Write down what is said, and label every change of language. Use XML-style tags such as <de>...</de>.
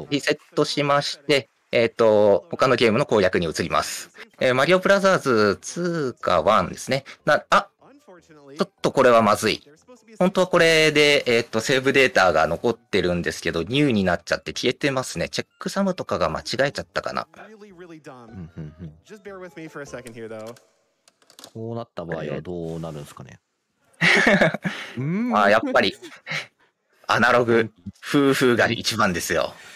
<ja>はい、リセットしまして、他のゲームの攻略に移ります。マリオブラザーズ2か1ですね。ちょっとこれはまずい。本当はこれで、セーブデータが残ってるんですけど、ニューになっちゃって消えてますね。チェックサムとかが間違えちゃったかな。</ja> <en>really dumb. Just bear with me for a second here, though.</en> <ja>こうなった場合はどうなるんですかね。まあやっぱりアナログ夫婦が一番ですよ。</ja>